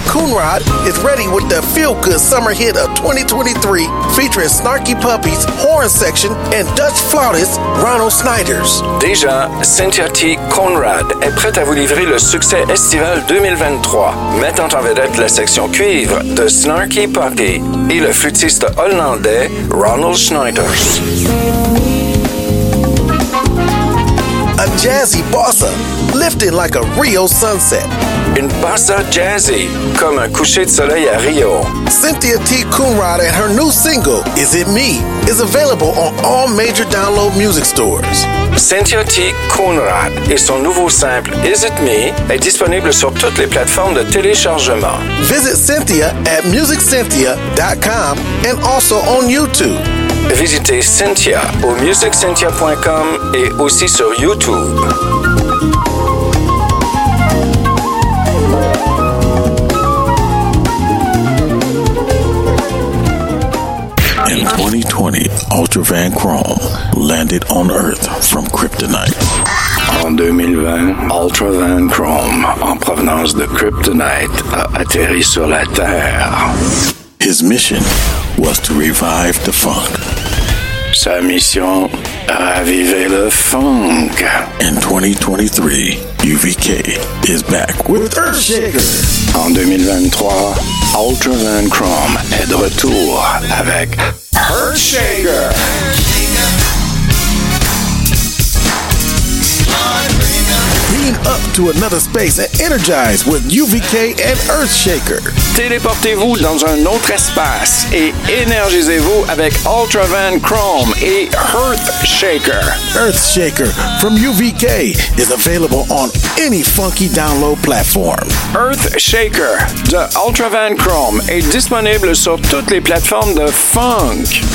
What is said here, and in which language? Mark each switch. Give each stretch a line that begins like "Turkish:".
English: Coonrod is ready with the feel-good summer hit of 2023 featuring Snarky Puppies, Horn Section, and Dutch flautist Ronald Snyders.
French: Déjà, Cynthia T. Coonrod est prête à vous livrer le succès estival 2023, mettant en vedette la section cuivre de Snarky Puppy et le flûtiste hollandais Ronald Snyders.
English: A jazzy bossa, lifting like a Rio sunset.
French: Une bossa jazzy, comme un coucher de soleil à Rio.
English: Cynthia T. Coonrod and her new single, Is It Me, is available on all major download music stores. Cynthia T.
French: Coonrod et son nouveau simple, Is It Me, est disponible sur toutes les plateformes de téléchargement.
English: Visit Cynthia at musiccynthia.com and also on YouTube.
French: Visitez Cynthia au musiccynthia.com et aussi sur YouTube.
English: In 2020, Ultra Van Chrome landed on Earth from Kryptonite.
French: En 2020, Ultra Van Chrome, en provenance de Kryptonite, a atterri sur la Terre.
English: His mission was to revive the funk.
French: Sa mission, raviver le funk.
English: In 2023, UVK is back with Earthshaker.
French: En 2023, Ultra Van Chrome est de retour avec Earthshaker.
English: Up to another space and energize with UVK and Earthshaker.
French: Téléportez-vous dans un autre espace et énergisez-vous avec Ultra Van Chrome et Earthshaker.
English: Earthshaker from UVK is available on any funky download platform.
French: Earthshaker de Ultra Van Chrome est disponible sur toutes les plateformes de funk.